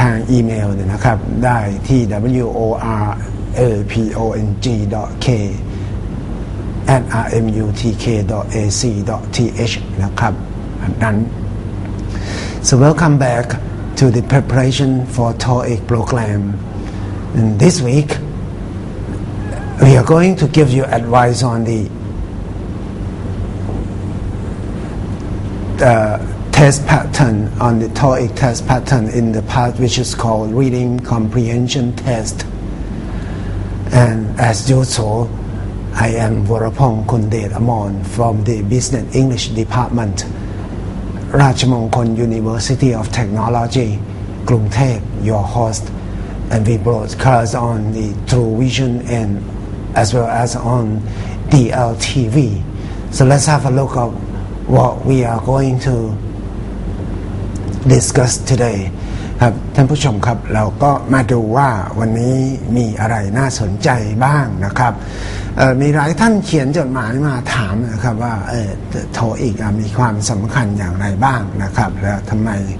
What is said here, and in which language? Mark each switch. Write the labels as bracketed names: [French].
[Thai] อีเมลนะครับได้ที่ worlpong.k@rmutk.ac.th นะครับนั้น [English] So welcome back to the preparation for TOEIC program and this weekWe are going to give you advice on the test pattern, on the TOEIC test pattern in the part which is called Reading Comprehension Test. And as usual, I am Vorapong Kundet Amon from the Business English Department, Rajamongkon University of Technology, Krungthep, your host. And we broadcast on the True Vision andas well as on Dltv. So let's have a look at what we are going to discuss today. [Thai] ครับท่านผู้ชมครับเราก็มาดูว่าวันนี้มีอะไรน่าสนใจบ้างนะครับมีหลายท่านเขียนจดหมายมาถามนะครับว่าTOEIC มีความสำคัญอย่างไรบ้างนะครับแล้วทำไม